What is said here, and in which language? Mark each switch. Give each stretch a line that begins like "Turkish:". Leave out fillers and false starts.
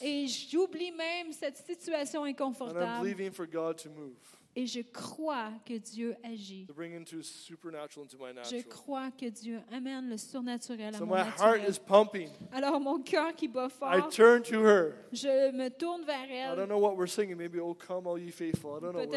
French: Et j'oublie même cette situation inconfortable.
English: And I'm believing for God to move.
French: Et je crois que Dieu agit.
English: To bring into supernatural, into my natural.
French: Je crois que Dieu amène le surnaturel à
English: so
French: mon
English: my
French: naturel.
English: Heart is pumping.
French: Alors mon cœur qui bat fort.
English: I turn to her.
French: Je me tourne vers elle.
English: I don't know what we're singing. Maybe oh come all ye faithful. I don't know.